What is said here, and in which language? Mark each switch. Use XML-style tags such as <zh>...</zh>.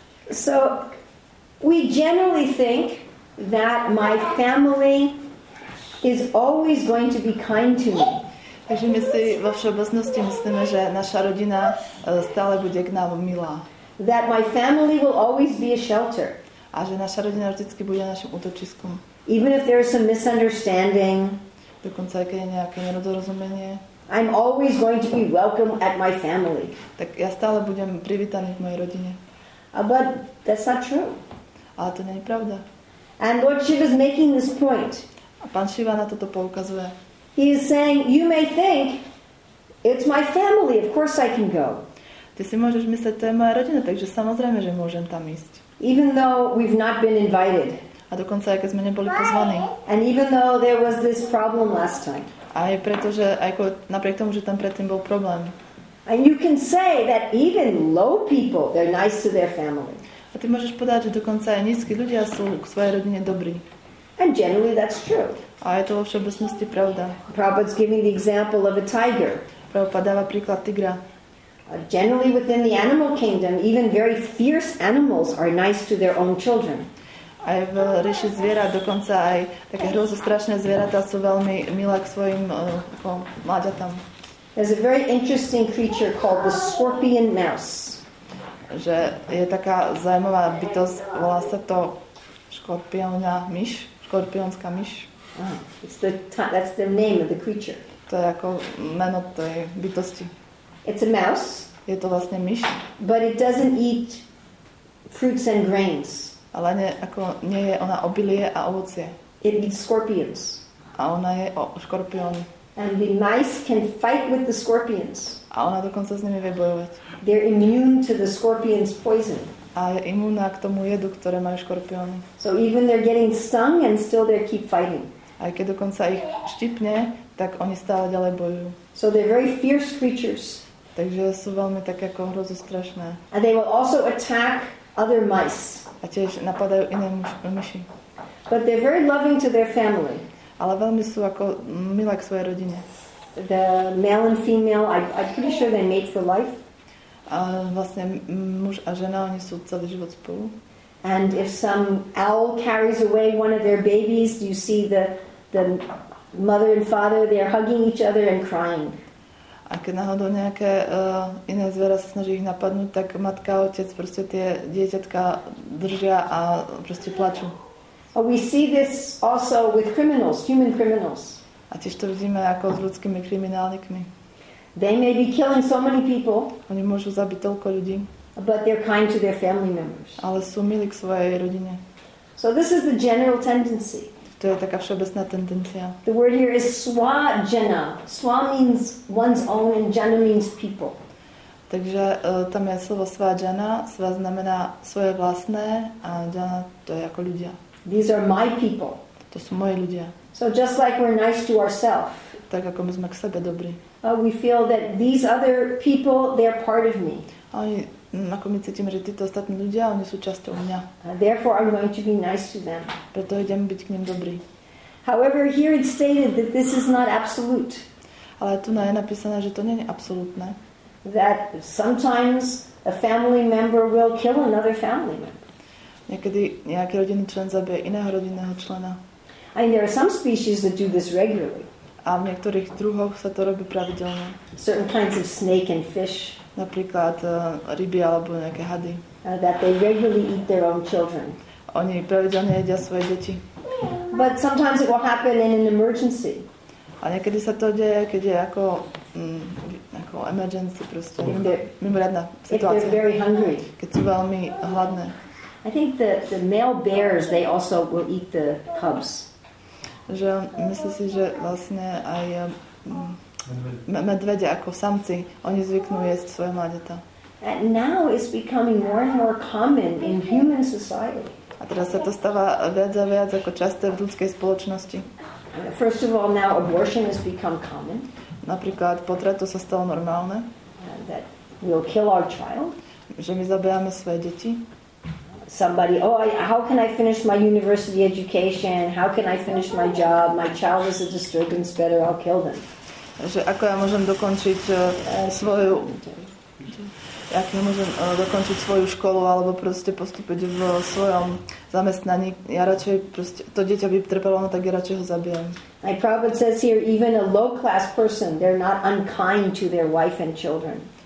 <en>So, we generally think that my family is always going to be kind to me.</en> <sk>Takže my si vo všeobecnosti myslíme, že naša rodina stále bude k nám milá.</sk> <en>That my family will always be a shelter.</en> <sk>A že naša rodina vždycky bude našim útočiskom.</sk> <en>Even if there is some misunderstanding.</en> <sk>Dokonca aj keď je nejaké nedorozumenie.</sk> <en>I'm always going to be welcome at my family.</en> <sk>Tak ja stále budem privítaný v mojej rodine.</sk> <en>But that's not true.</en> <sk>Ale to nie je pravda.</sk> <en>And Lord Shiva is making this point.</en> <sk>A pán Shiva na toto poukazuje.</sk> <en>He is saying, you may think, it's my family, of course I can go.</en> <sk>Ty si môžeš mysleť, to je moja rodina, takže samozrejme, že môžem tam ísť.</sk> <en>Even though we've not been invited.</en> <sk>A dokonca, aj keď sme neboli pozvaní.</sk> <en>And even though there was this problem last time.</en> <sk>A aj preto, že aj ako, napriek tomu, že tam predtým bol problém.</sk> <en>And you can say that even low people, they're nice to their family.</en> <sk>A ty môžeš povedať, že dokonca aj nízky ľudia sú k svojej rodine dobrí.</sk> <en>And generally that's true.</en> <sk>A je to vo všeobecnosti pravda.</sk> <en>Prabhupada's giving the example of a tiger.</en> <sk>Prabhupada dáva príklad tigra.</sk> <en>Generally within the animal kingdom, even very fierce animals are nice to their own children.</en> <sk>Aj v ríši zvierat, dokonca aj také hrozostrašné zvieratá sú veľmi milé k svojim mláďatám.</sk> <en>There's a very interesting creature called the scorpion mouse.</en> <sk>Že je taká zaujímavá bytosť, volá sa to škorpiónia myš. Škorpiónska myš.</sk> <en>Ah, it's the that's the name of the creature.</en> <sk>To je ako meno tej bytosti.</sk> <en>It's a mouse.</en> <sk>Je to vlastne myš.</sk> <en>But it doesn't eat fruits and grains.</en> <sk>Ale nie, ako nie je ona obilie a ovocie.</sk> <en>It eats scorpions.</en> <sk>A ona je škorpión.</sk> <en>And the mice can fight with the scorpions.</en> <sk>A ona dokonca s nimi vie bojovať.</sk> <en>They're immune to the scorpion's poison.</en> <sk>A je imúna k tomu jedu, ktoré majú škorpióny.</sk> <en>So even they're getting stung and still they keep fighting.</en> <sk>Aj keď dokonca ich štipne, tak oni stále ďalej bojujú.</sk> <en>So they're very fierce creatures.</en> <sk>Takže sú veľmi také ako hrozostrašné.</sk> <en>And they will also attack other mice.</en> <sk>A tiež napadajú iné myši.</sk> <en>But they're very loving to their family.</en> <sk>Ale veľmi sú ako milé k svojej rodine.</sk> <en>The male and female, I'm pretty sure they mate for life.</en> <sk>A vlastne muž a žena, oni sú celý život spolu.</sk> <en>And if some owl carries away one of their babies, you see the mother and father, they're hugging each other and crying.</en> <sk>A keď náhodou nejaké iné zviera sa snaží ich napadnúť, tak matka a otec proste tie dieťatka držia a proste plačú.</sk> <en>Oh, we see this also with criminals, human criminals.</en> <sk>A tiež to vidíme ako s ľudskými kriminálnikmi.</sk> <en>They may be killing so many people.</en> <sk>Oni môžu zabiť toľko ľudí.</sk> <en>But they're kind to their family members.</en> <sk>Ale sú milí k svojej rodine.</sk> <en>So this is the general tendency.</en> <sk>To je taká všeobecná tendencia.</sk> <en>The word here is swajana. Swa means one's own and jana means people.</en> <sk>Takže tam je slovo swajana. Swa znamená svoje vlastné a jana to je ako ľudia.</sk> <en>These are my people.</en> <sk>To sú moje ľudia.</sk> <en>So just like we're nice to ourselves.</en> <sk>Tak ako my sme k sebe dobrí.</sk> <en>We feel that these other people, they're part of me.</en> <sk>Oni, ako my cítime, že títo ostatní ľudia, oni sú často u mňa.</sk> <en>Therefore, I'm going to be nice to them.</en> <sk>Preto idem byť k ním dobrý.</sk> <en>However, here it's stated that this is not absolute.</en> <sk>Ale tu je napísané, že to nie je absolútne.</sk> <en>That sometimes a family member will kill another family member.</en> <sk>Niekedy nejaký rodinný člen zabije iného rodinného člena.</sk> <en>I mean, there are some species that do this regularly.</en> <sk>A v niektorých druhoch sa to robí pravidelne.</sk> <en>Certain kinds of snake and fish.</en> <sk>Napríklad ryby alebo nejaké hady.</sk> <en>That they regularly eat their own children.</en> <sk>Oni pravidelne jedia svoje deti.</sk> <en>But sometimes it will happen in an emergency.</en> <sk>A niekedy sa to deje, keď je ako, ako emergency proste. Mimoriadna situácia.</sk> <en>If they're very hungry.</en> <sk>Keď sú veľmi hladné.</sk> <en>I think the male bears, they also will eat the cubs.</en> <sk>Že myslím si, že vlastne aj medvede ako samci, oni zvyknú jesť svoje mláďatá.</sk> <en>Now it's becoming more and more common in human society.</en> <sk>A teraz sa to stáva viac a viac ako časté v ľudskej spoločnosti.</sk> <en>First of all, now abortion has become common.</en> <sk>Napríklad potrat to sa stalo normálne.</sk> <en>that we'll kill our child.</en> <sk>Že my zabijeme svoje deti.</sk> <en>Somebody, how can I finish my university education? How can I finish my job? My child is a disturbance, better I'll kill them.</en> <sk>Že ako ja môžem dokončiť svoju... Ak nemôžem dokončiť svoju školu alebo proste postúpiť v svojom zamestnaní, ja radšej proste to dieťa by trpelo, no tak ja radšej ho zabijem.</sk> <en>My Prabhupada says here, even a low-class person, they're not unkind to their wife and children.</en>